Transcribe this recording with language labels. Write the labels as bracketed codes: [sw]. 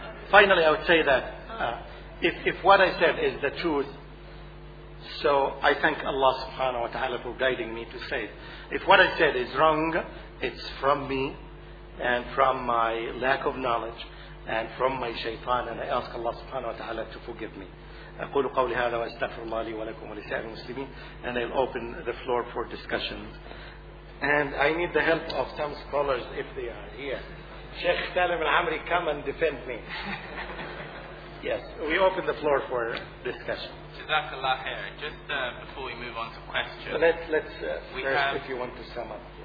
[en] Finally, I would say that if what I said is the truth, so I thank Allah subhanahu wa ta'ala for guiding me to say it. If what I said is wrong, it's from me and from my lack of knowledge and from my shaitan, and I ask Allah subhanahu wa ta'ala to forgive me. [ar] أقول قولي هذا وأستغفر الله لي ولكم ولسائر المسلمين [en] and I'll open the floor for discussion. And I need the help of some scholars if they are here. Sheikh Salim Al-Amri, come and defend me. Yes, we open the floor for discussion. Jazakallah khair. Just before we move on to questions. So let's first, have, if you want to sum up.